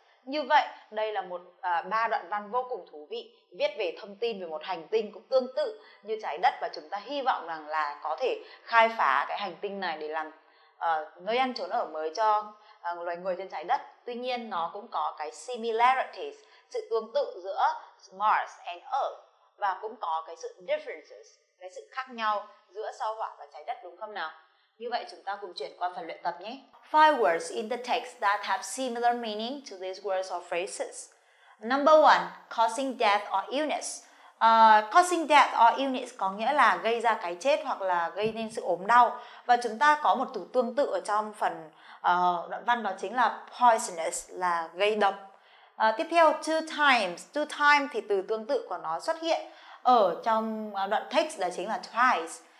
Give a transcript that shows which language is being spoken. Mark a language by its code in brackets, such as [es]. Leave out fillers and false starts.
[vi] Như vậy, đây là một 3 đoạn văn vô cùng thú vị, viết về thông tin về một hành tinh cũng tương tự như trái đất, và chúng ta hy vọng rằng là có thể khai phá cái hành tinh này để làm nơi ăn chốn ở mới cho loài người trên trái đất. Tuy nhiên, nó cũng có cái similarities, sự tương tự giữa Mars and Earth, và cũng có cái sự differences, cái sự khác nhau giữa sao Hỏa và trái đất, đúng không nào? Như vậy chúng ta cùng chuyển qua phần luyện tập nhé. [en] 5 words in the text that have similar meaning to these words or phrases. Number 1, causing death or illness. Causing death or illness [vi] có nghĩa là gây ra cái chết hoặc là gây nên sự ốm đau. Và chúng ta có một từ tương tự ở trong phần đoạn văn, đó chính là poisonous, là gây độc. Tiếp theo, [en] two times [vi] thì từ tương tự của nó xuất hiện ở trong đoạn text, đó chính là twice.